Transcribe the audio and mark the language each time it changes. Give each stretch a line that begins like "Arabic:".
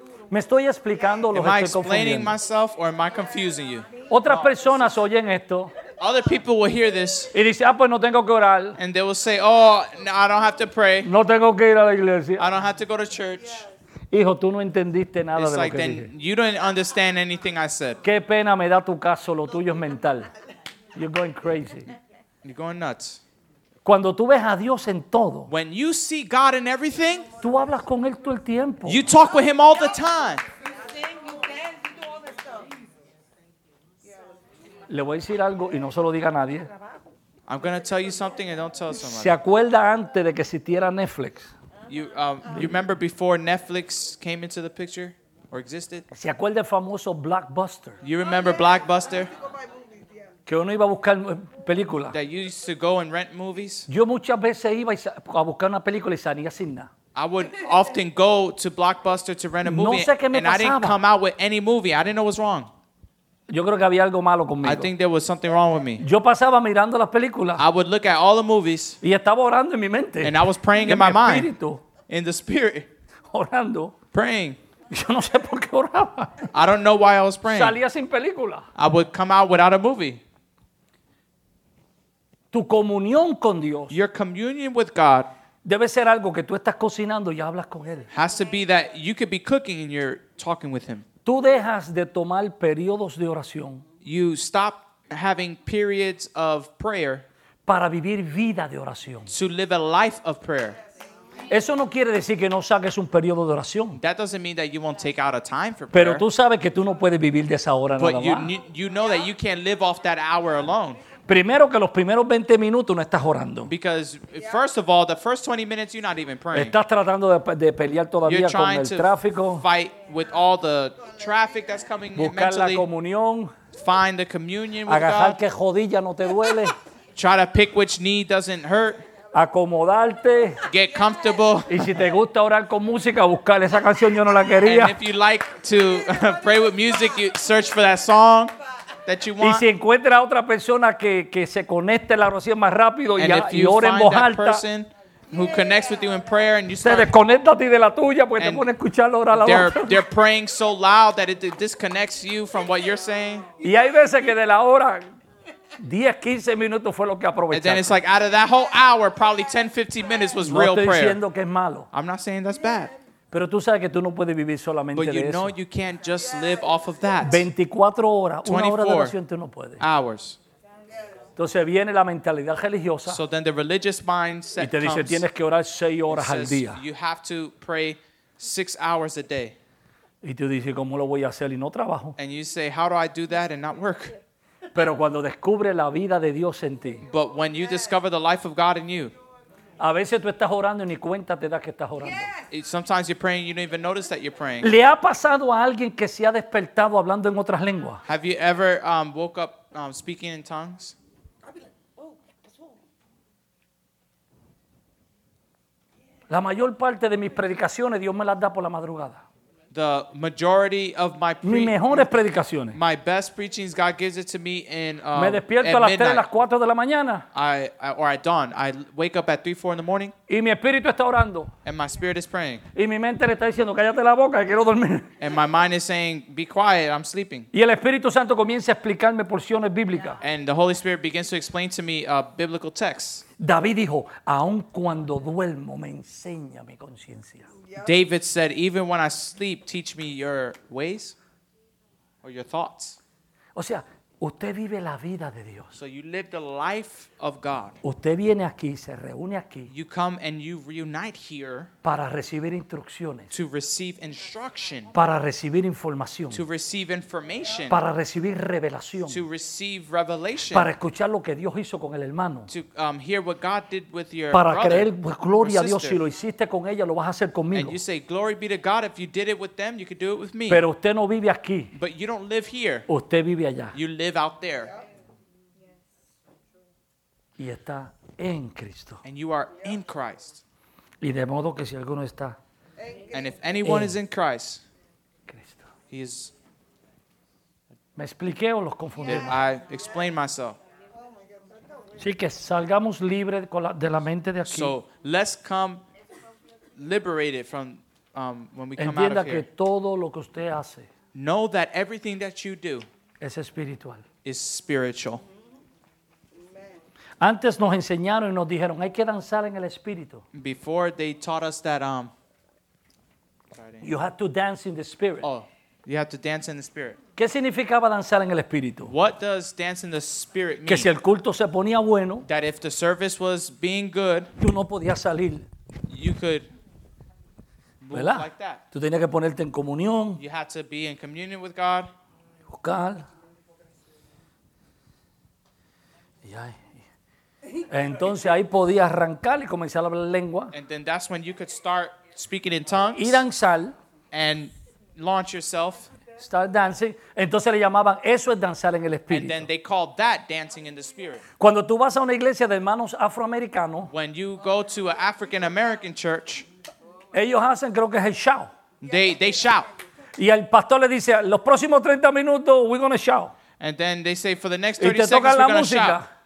Spanish: Me estoy explicando lo que estoy
English: explaining myself or am I confusing you?
Spanish: Otras personas oyen esto.
English: Other people will hear this.
Spanish: Y dice, ah, pues no tengo que orar.
English: And they will say, oh, no, I don't have to pray.
Spanish: No tengo que ir a la iglesia.
English: I don't have to go to church.
Spanish: Hijo, tú no entendiste nada
English: it's
Spanish: de lo
English: like
Spanish: que
English: then,
Spanish: dije.
English: You don't understand anything I said.
Spanish: Qué pena me da tu caso, lo tuyo es mental.
English: You're going crazy. You're going nuts.
Spanish: Cuando tú ves a Dios en todo,
English: when you see God in everything,
Spanish: tú hablas con él todo el tiempo.
English: You talk with him all the time.
Spanish: Le voy a decir algo y no se lo diga a nadie.
English: I'm going to tell you something and don't tell someone.
Spanish: ¿Se acuerda antes de que existiera Netflix?
English: You remember before Netflix came into the picture or existed?
Spanish: ¿Se acuerda el famoso Blockbuster?
English: You remember Blockbuster?
Spanish: Que uno iba a buscar películas.
English: That you used to go and rent movies?
Spanish: Yo muchas veces iba a buscar una película y salía sin nada.
English: I would often go to Blockbuster to rent a movie,
Spanish: no sé qué me
English: and
Spanish: pasaba.
English: I didn't come out with any movie. I didn't know what's wrong.
Spanish: Yo creo que había algo malo conmigo.
English: I think there was something wrong with me.
Spanish: Yo pasaba mirando las películas.
English: I would look at all the movies.
Spanish: Y estaba orando en mi mente.
English: And I was praying
Spanish: en
English: in my mind.
Spanish: Espíritu.
English: In the spirit.
Spanish: Orando.
English: Praying.
Spanish: Yo no sé por qué oraba.
English: I don't know why I was praying.
Spanish: Salía sin película.
English: I would come out without a movie.
Spanish: Tu comunión con Dios.
English: Your communion with God.
Spanish: Debe ser algo que tú estás cocinando y hablas con él.
English: Has to be that you could be cooking and you're talking with him.
Spanish: Tú dejas de tomar periodos de oración.
English: You stop having periods of prayer.
Spanish: Para vivir vida de oración.
English: To live a life of prayer.
Spanish: Eso no quiere decir que no saques un periodo de oración.
English: That doesn't mean that you won't take out a time for prayer.
Spanish: Pero tú sabes que tú no puedes vivir de esa hora nada más.
English: You know that you can't live off that hour alone.
Spanish: Primero que los primeros 20 minutos no estás orando.
English: Because first of all, the first 20 minutes you're not even praying.
Spanish: Estás tratando de pelear todavía con el tráfico.
English: You're trying to fight with all the traffic that's coming.
Spanish: Buscar
English: mentally,
Spanish: la comunión.
English: Find the communion with
Spanish: agarrar Agarrar qué rodilla no te duele.
English: Try to pick which knee doesn't hurt.
Spanish: Acomodarte.
English: Get comfortable.
Spanish: Y si te gusta orar con música, buscar esa canción yo no la quería.
English: And if you like to pray with music, you search for that song. That you want.
Spanish: Y si encuentra otra persona que se conecte la oración más rápido y ore en voz alta.
English: Who connects with you in prayer and you
Spanish: se desconecta a ti de la tuya porque te pone a escuchar la oración.
English: They're praying so loud that it disconnects you from what you're saying.
Spanish: Y hay veces que de la hora 10, 15 minutos fue lo que aprovechaste.
English: And then it's like out of that whole hour, probably 10, 15 minutes was no real prayer.
Spanish: No estoy diciendo que es malo.
English: I'm not saying that's bad.
Spanish: Pero tú sabes que tú no puedes vivir solamente
English: but
Spanish: de eso.
English: But you know you can't just live off of that.
Spanish: 24 horas, una hora de oración tú no puedes.
English: Hours.
Spanish: Entonces viene la mentalidad religiosa.
English: So then the religious mindset
Spanish: y te dice
English: comes,
Spanish: tienes que orar 6 horas al día.
English: You have to pray 6 hours a day.
Spanish: Y tú dices cómo lo voy a hacer y no trabajo.
English: And you say how do I do that and not work?
Spanish: Pero cuando descubre la vida de Dios en ti.
English: But when you discover the life of God in you.
Spanish: A veces tú estás orando y ni cuenta te das que estás orando.
English: Sometimes you're praying, you don't even notice that you're praying.
Spanish: ¿Le ha pasado a alguien que se ha despertado hablando en otras lenguas?
English: Have you ever woke up speaking in tongues?
Spanish: La mayor parte de mis predicaciones Dios me las da por la madrugada.
English: The majority of my
Spanish: mejores predicaciones.
English: My best preachings, God gives it to me in
Spanish: me despierto a las 3, las 4 de la mañana.
English: At dawn. I wake up at 3, 4 in the morning.
Spanish: Y mi espíritu está orando.
English: And my spirit is praying.
Spanish: Y mi mente le está diciendo, cállate la boca, quiero dormir.
English: And my mind is saying, be quiet, I'm sleeping.
Spanish: Y el Espíritu Santo comienza a explicarme porciones bíblicas.
English: And the Holy Spirit begins to explain to me biblical texts.
Spanish: David dijo, aun cuando duermo me enseña mi conciencia.
English: David said, even when I sleep, teach me your ways or your thoughts.
Spanish: O sea, usted vive la vida de Dios.
English: So you live the life of God.
Spanish: Usted viene aquí, se reúne aquí.
English: You come and you reunite here.
Spanish: Para recibir instrucciones.
English: To receive instruction.
Spanish: Para recibir información.
English: To receive information.
Spanish: Para recibir revelación.
English: To receive revelation.
Spanish: Para escuchar lo que Dios hizo con el hermano.
English: To hear what God did with your
Spanish: para
English: brother.
Spanish: Para creer, pues, gloria a Dios, si lo hiciste con ella, lo vas a hacer conmigo.
English: And you say, glory be to God, if you did it with them, you could do it with me.
Spanish: Pero usted no vive aquí.
English: But you don't live here.
Spanish: Usted vive allá.
English: You live out there.
Spanish: Y está en Cristo.
English: And you are in Christ.
Spanish: Y de modo que si alguno está
English: and if anyone is in Christ,
Spanish: Cristo.
English: He is.
Spanish: ¿Me expliqué o los confundí?
English: I explained myself.
Spanish: Sí, que salgamos libre de la mente de aquí.
English: So let's come liberated from when we come
Spanish: entienda
English: out of here.
Spanish: Que todo lo que usted hace
English: know that everything that you do
Spanish: es espiritual.
English: Is spiritual.
Spanish: Antes nos enseñaron y nos dijeron hay que danzar en el espíritu.
English: Before they taught us that you have to dance in the spirit. Oh, You have to dance in the spirit.
Spanish: ¿Qué significaba danzar en el espíritu?
English: What does dance in the spirit mean?
Spanish: Que si el culto se ponía bueno,
English: that if the service was being good,
Spanish: tú no podías salir.
English: You could move,
Spanish: ¿verdad?,
English: like that.
Spanish: Tú tenías que ponerte en comunión.
English: You had to be in communion with God.
Spanish: Buscar.
English: Yeah.
Spanish: Entonces ahí podía arrancar y comenzar a hablar lengua.
English: And then that's when you could start speaking in tongues.
Spanish: Y danzar.
English: And launch yourself. Start dancing.
Spanish: Entonces le llamaban, eso es danzar en el espíritu.
English: And then they called that dancing in the spirit.
Spanish: Cuando tú vas a una iglesia de hermanos afroamericanos,
English: when you go to an African American church,
Spanish: ellos hacen, creo que es el shout.
English: They shout.
Spanish: Y el pastor le dice, los próximos 30 minutos
English: we're going to shout. And then they say, for the next 30 seconds we're going to shout.